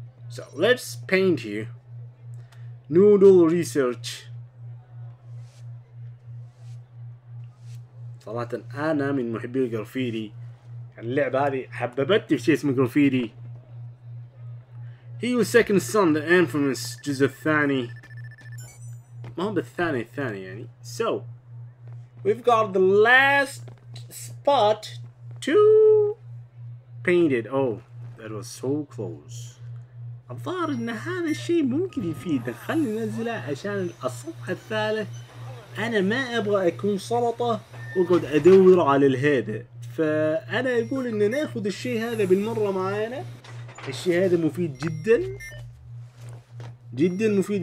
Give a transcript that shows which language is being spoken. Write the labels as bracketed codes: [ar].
[en] So let's paint here. Noodle research. [ar] صراحة أنا من محبي الجرافيتي. اللعبة هذه حببتني في شيء اسمه جرافيتي. [en] He was second son, the infamous [ar] جزء الثاني. ما هو بالثاني الثاني يعني. [en] So we've got the last spot to paint it. Oh that was so close. [ar] الظاهر ان هذا الشيء ممكن يفيد. خلني ننزله عشان الصفحة الثالث. انا ما ابغى اكون سلطة وقعد ادور على الهيدا. فأنا أقول إن نأخذ الشيء هذا بالمرة معانا. الشيء هذا مفيد جدا جدا مفيد.